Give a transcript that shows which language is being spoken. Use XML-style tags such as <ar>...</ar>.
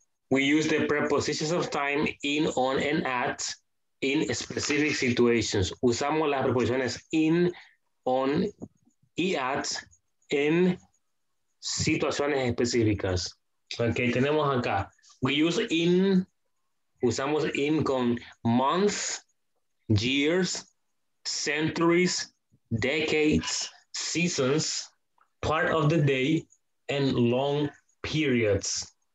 <en>We use the prepositions of time in, on, and at in specific situations.</en> <es>Usamos las preposiciones in, on, y at en situaciones específicas. Okay, tenemos acá.</es> <en>We use in,</en> <es>usamos in con</es> <en>months, years, centuries, decades, seasons, part of the day, and long periods.</en>